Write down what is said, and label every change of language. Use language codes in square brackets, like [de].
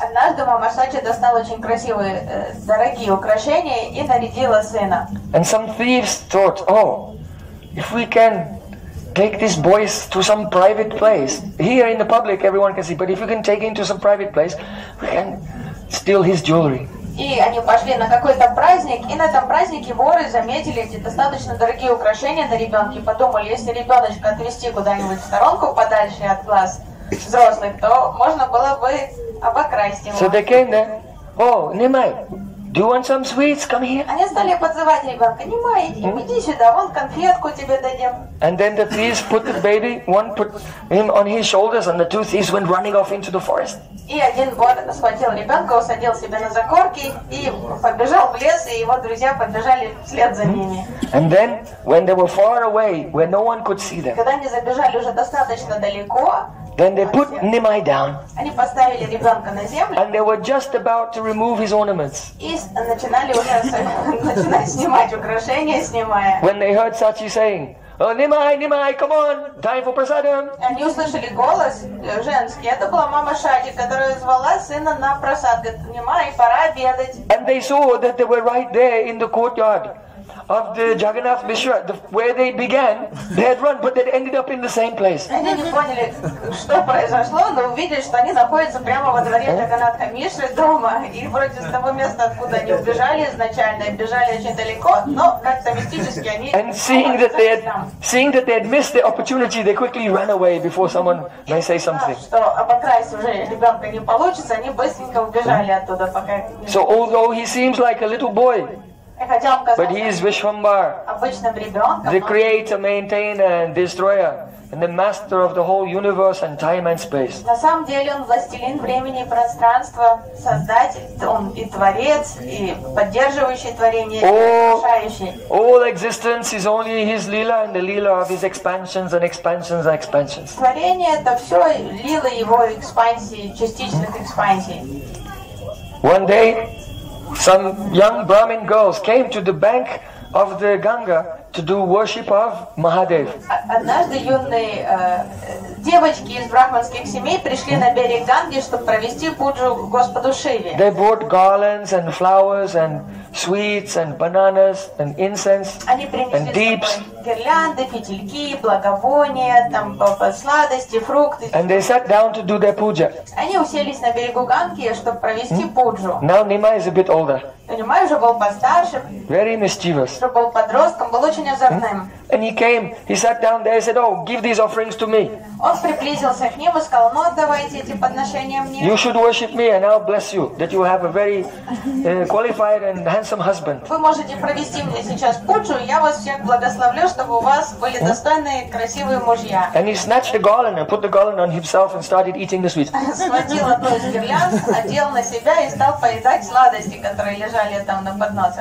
[en] And some thieves thought, oh, if we can take this boy to some private place, here in the public everyone can see, but if we can take him to some private place, we can steal his jewelry. [ru] И они пошли на какой-то праздник, и на этом празднике воры заметили эти достаточно дорогие украшения на ребенке. Подумали, если ребеночка отвезти куда-нибудь в сторонку подальше от глаз взрослых, то можно было бы обокрасть его. [en] So they came there. Oh, Nimai, do you want some sweets? Come here. [ru] Они стали подзывать ребенка. Nimai, иди сюда, вон конфетку тебе дадим. [en] And then the thieves put the baby, one put him on his shoulders, and the two thieves went running off into the forest. [ru] И один вор схватил ребенка, усадил себе на закорки и побежал в лес, и его друзья побежали вслед за ними. [en] And then, when they were far away, where no one could see them, [ru] когда они забежали уже достаточно далеко, [en] then they put Nimai down. [ru] Они поставили ребенка на землю. [en] And they were just about to remove his ornaments. [ru] И начинали уже снимать украшения, снимая. [en] When they heard Sachi saying, oh, Nimai, Nimai, come on, time for prasadam. And you [ru] услышали голос женский. Это была мама Шати, которая звала сына на просад. Говорит, Nimai, пора обедать. [en] And they saw that they were right there in the courtyard of the Jagannath Mishra, where they began, they had run, but they ended up in the same place. [ru] Они не поняли, что произошло, но увидели, что они находятся прямо во дворе Джаганатха Мишры дома. И вроде с того места, откуда они убежали изначально, бежали очень далеко, но как-то мистически они... [en] And seeing that they had missed the opportunity, they quickly ran away before someone may say something. [ru] Что обокрасть уже ребенка не получится, они быстренько убежали оттуда, пока... [en] So although he seems like a little boy, but he is Vishwambar, the creator, maintainer, and destroyer, and the master of the whole universe and time and space. [ru] На самом деле он властелин времени и пространства, создатель, он и творец, и поддерживающий творение, и разрушающий. [en] All existence is only his lila and the lila of his expansions and expansions and expansions. [ru] Творение это все лила его экспансии, частичных экспансий. [en] One day, some young Brahmin girls came to the bank of the Ganga to do worship of Mahadev. [ru] Однажды юные девочки из брахманских семей пришли на берег Ганги, чтобы провести пуджу Господу Шиве. [en] They brought garlands and flowers and sweets and bananas and incense and deeps. [ru] Гирлянды, фитильки, благовония, там сладости, фрукты. [en] And they sat down to do their puja. [ru] Они уселись на берегу Ганги, чтобы провести пуджу. [en] Now Nimai is a bit older. [ru] Nimai уже был постарше. [en] Very mischievous. [ru] Уже был подростком, был очень озорным. [en] And he came, he sat down there, he said, oh, give these offerings to me. [ru] Он приблизился к ним и сказал, ну отдавайте эти подношения мне. [en] You should worship me and I'll bless you, that you have a very qualified and handsome husband. [ru] Вы можете провести мне сейчас пуджу, я вас всех благословлю, чтобы у вас были достойные, красивые мужья. [en] And he snatched the garland and put the garland on himself and started eating the sweets. [ru] Схватил одну из гирлянд, надел на себя и стал поедать сладости, которые лежали там на подносе.